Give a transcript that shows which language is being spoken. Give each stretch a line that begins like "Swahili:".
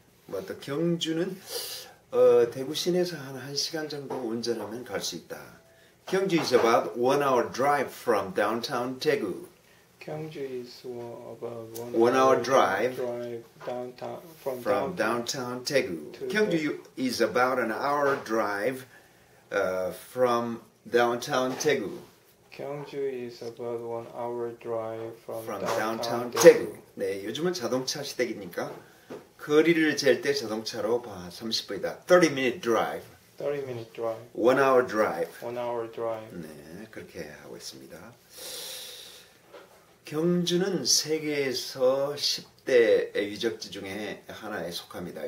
Korean: 뭐또 경주는 대구 시내에서 한 1시간 정도 운전하면 갈 수 있다.
English: 경주 is about 1 hour drive from downtown Daegu. 경주 is about one hour drive from downtown Daegu. 경주 is about an hour drive from downtown Daegu. 경주 is about 1 hour drive from downtown Daegu.
Korean: 네, 요즘은 자동차 시대니까 거리를 잴 때 자동차로 30분이다.
English: 30-minute drive. 30-minute drive. 1 hour drive. 1 hour drive.
Korean: 네, 그렇게 하고 있습니다. 경주는 세계에서 10대 유적지 중에 하나에 속합니다.